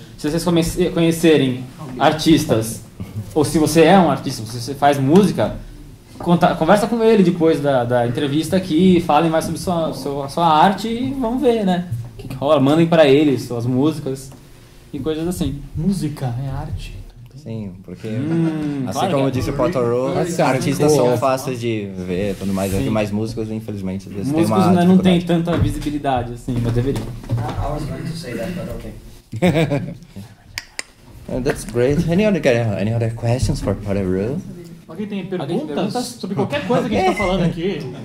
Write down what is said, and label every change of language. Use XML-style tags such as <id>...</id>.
<pt>se vocês conhecerem artistas, ou se você é um artista, se você faz música, conversa com ele depois da entrevista aqui, falem mais sobre sua arte e vamos ver, né? O que rola? Mandem para ele suas músicas e coisas assim. Música é arte. Sim, porque assim claro, como disse o Potoro, artistas são fáceis de ver e tudo mais. Sim. Mas músicos, infelizmente, às vezes músicos tem uma não tem tanta visibilidade assim, mas deveria.</pt> <en>I was going to say that, but okay. That's great. Any other questions for Potoro?</en> <pt>Alguém tem perguntas sobre qualquer coisa que a gente tá falando aqui?</pt>